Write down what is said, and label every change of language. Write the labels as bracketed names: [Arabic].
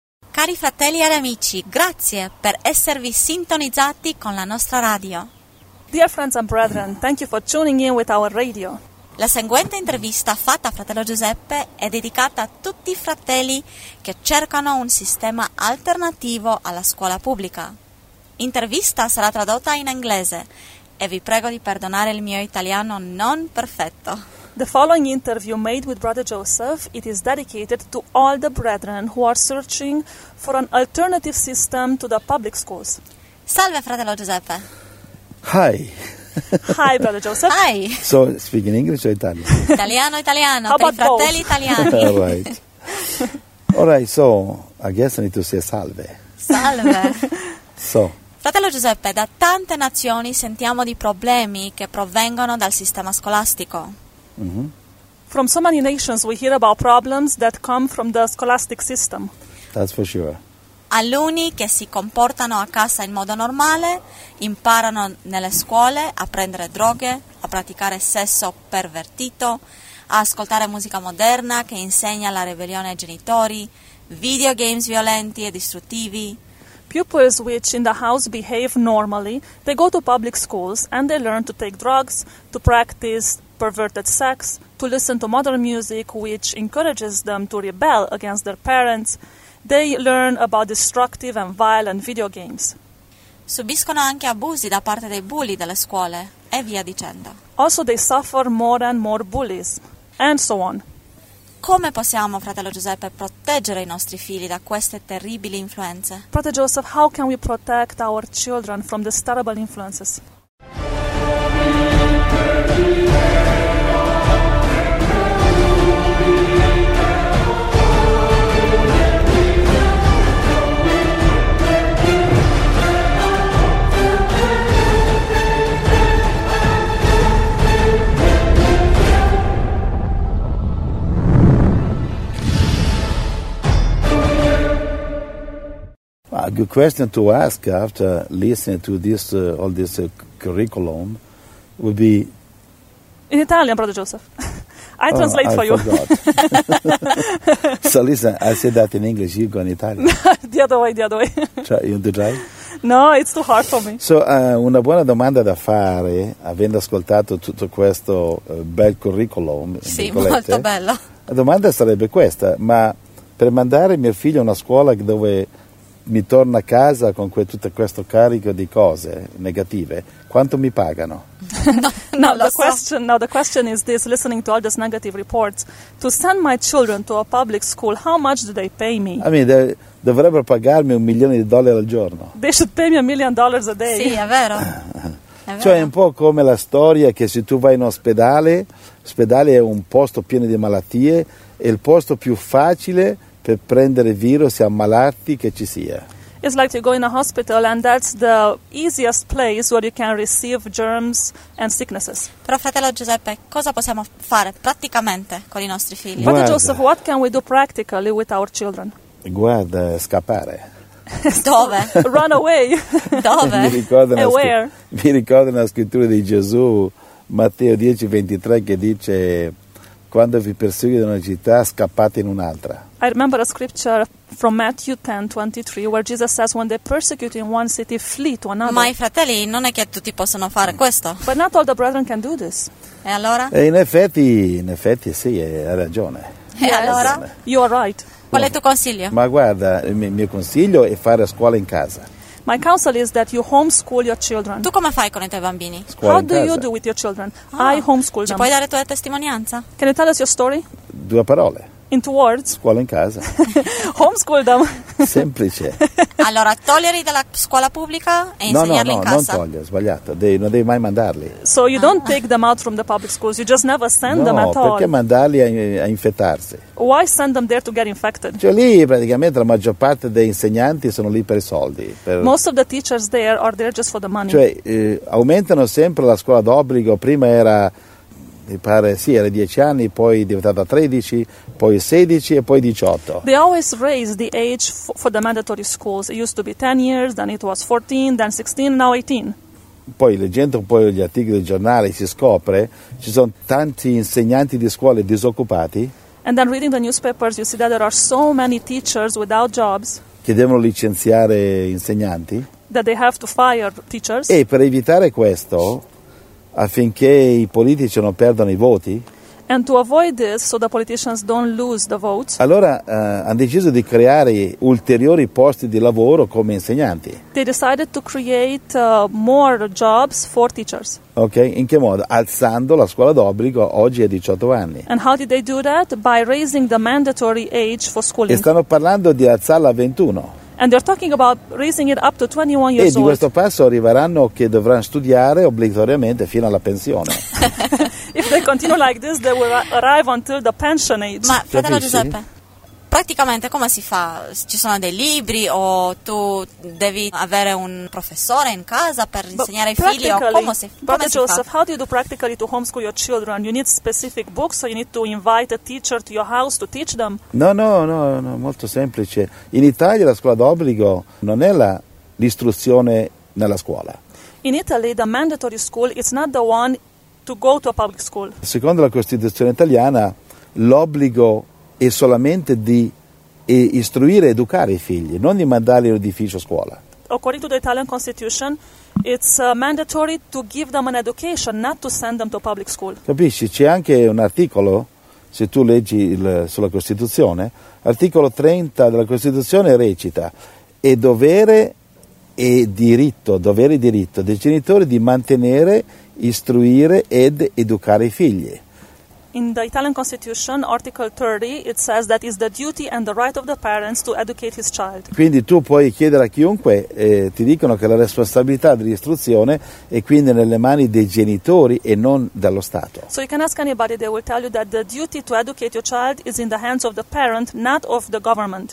[Italian] cari fratelli ed amici, grazie per esservi sintonizzati con la nostra radio. [English] Dear friends and brethren, thank you for tuning in with our radio. [Italian] La seguente intervista fatta a fratello Giuseppe è dedicata a tutti i fratelli che cercano un sistema alternativo alla scuola pubblica. Intervista sarà tradotta in inglese e vi prego di perdonare il mio italiano non perfetto. [English] The following interview made with Brother Joseph, it is dedicated to all the brethren who are searching for an alternative system to the public schools. [Italian] Salve, fratello Giuseppe. [English] Hi. Hi, Brother Joseph. Hi. So, speaking English or Italian? [Italian] Italiano. [English] How about fratelli both? [Italian] Italiani. [English] All right, so, I guess I need to say salve. [Italian] Salve. [English] So. [Italian] Fratello Giuseppe, da tante nazioni sentiamo di problemi che provengono dal sistema scolastico. [English] From so many nations we hear about problems that come from the scholastic system. That's for sure. [Italian] Alunni che si comportano a casa in modo normale, imparano nelle scuole a prendere droghe, a praticare sesso pervertito, a ascoltare musica moderna che insegna la ribellione ai genitori, videogames violenti e distruttivi. [English] Pupils which in the house behave normally, they go to public schools and they learn to take drugs, to practice perverted sex, to listen to modern music which encourages them to rebel against their parents. They learn about destructive and violent video games. [Italian] Subiscono anche abusi da parte dei bulli delle scuole e via dicendo. [English] Also they suffer more and more bullies and so on. [Italian] Come possiamo, fratello Giuseppe, proteggere i nostri figli da queste terribili influenze? [English] Brother Joseph, how can we protect our children from these terrible influences? Good question to ask after listening to this all this curriculum would be in Italian, Brother Joseph. I translate for you. So listen, I said that in English, you go in Italian. the other way. You want to try? No, it's too hard for me. [Italian] So una buona domanda da fare, avendo ascoltato tutto questo bel curriculum. Sì, molto bello. La domanda sarebbe questa: ma per mandare mio figlio a una scuola dove mi torna a casa con tutto questo carico di cose negative, quanto mi pagano? [English] The question is this: listening to all these negative reports, to send my children to a public school, how much do they pay me? I mean, they [Italian] dovrebbero pagarmi $1,000,000 al giorno. [English] They should pay me $1,000,000 a day. [Italian] Sì, è vero. Cioè è un po' come la storia che se tu vai in ospedale, l'ospedale è un posto pieno di malattie, è il posto più facile per prendere virus e ammalarti che ci sia. [English] It's like you go in a hospital and that's the easiest place where you can receive germs and sicknesses. [Italian] Però fratello Giuseppe, cosa possiamo fare praticamente con i nostri figli? Guarda, [English] Father Joseph, what can we do practically with our children? [Italian] Guarda, scappare. Dove? [English] Run away. [Italian] Dove? Mi ricordo una scrittura di Gesù, Matteo 10:23, che dice: quando vi perseguite in una città, scappate in un'altra. [English] I remember a scripture from Matthew 10:23 where Jesus says when they persecute in one city, flee to another. [Italian] Ma i fratelli non è che tutti possono fare questo. [English] But not all the brethren can do this. [Italian] E allora? In effetti sì, hai ragione. E allora? [English] You are right. [Italian] Qual è il tuo consiglio? Ma guarda, il mio consiglio è fare scuola in casa. [English] My counsel is that you homeschool your children. [Italian] Tu come fai con i tuoi bambini? Scuola [English] How do [Italian] casa. [English] You do with your children? Ah. I homeschool [Italian] Ci [English] them. [Italian] Ci puoi dare tua testimonianza? [English] Can you tell us your story? [Italian] Due parole. [English] In two words. [Italian] Scuola in casa. [English] Homeschool them. [Italian] Semplice. Allora, toglierli dalla scuola pubblica e insegnarli in casa? No, non toglierli, sbagliato. Non devi mai mandarli. [English] So you don't take them out from the public schools, you just never send them at all. [Italian] No, perché mandarli a infettarsi? [English] Why send them there to get infected? [Italian] Cioè lì praticamente la maggior parte dei insegnanti sono lì per i soldi. [English] Most of the teachers there are there just for the money. [Italian] Cioè aumentano sempre la scuola d'obbligo, prima era... Mi pare, sì, era 10 anni, poi è diventata 13, poi 16 e poi 18. [English] They always raise the age for the mandatory schools. It used to be 10 years, then it was 14, then 16, now 18. [Italian] Poi leggendo un po' gli articoli del giornale si scopre ci sono tanti insegnanti di scuole disoccupati. [English] And then reading the newspapers you see that there are so many teachers without jobs. [Italian] che devono licenziare insegnanti, [English] that they have to fire teachers. [Italian] E per evitare questo, affinché i politici non perdano i voti, [English] and to avoid this, so the politicians don't lose the votes, [Italian] allora hanno deciso di creare ulteriori posti di lavoro come insegnanti. [English] They decided to create more jobs for teachers. [Italian] Okay, in che modo? Alzando la scuola d'obbligo oggi a 18 anni. [English] And how did they do that? By raising the mandatory age for schooling. [Italian] E stanno parlando di alzarla a 21. [English] And they're talking about raising it up to 21 years old. [Italian] E di questo passo arriveranno che dovranno studiare obbligatoriamente fino alla pensione. [English] If they continue like this, they will arrive until the pension age. [Italian] Ma, fratello Giuseppe, praticamente come si fa? Ci sono dei libri o tu devi avere un professore in casa per insegnare ai figli? O come si Joseph, fa? [English] How do you do practically to homeschool your children? You need specific books or you need to invite a teacher to your house to teach them? [Italian] No, molto semplice. In Italia la scuola d'obbligo non è l'istruzione nella scuola. [English] In Italy the mandatory school is not the one to go to a public school. [Italian] Secondo la Costituzione italiana l'obbligo è solamente di istruire, educare i figli, non di mandarli in un edificio a scuola. [English] According to the Italian Constitution, it's mandatory to give them an education, not to send them to a public school. [Italian] Capisci? C'è anche un articolo, se tu leggi sulla Costituzione, articolo 30 della Costituzione recita: è dovere e diritto, dovere e diritto dei genitori di mantenere, istruire ed educare i figli. [English] In the Italian Constitution, Article 30, it says that is the duty and the right of the parents to educate his child. [Italian] Quindi tu puoi chiedere a chiunque, ti dicono che la responsabilità dell'istruzione è quindi nelle mani dei genitori e non dello Stato. [English] So you can ask anybody, they will tell you that the duty to educate your child is in the hands of the parent, not of the government.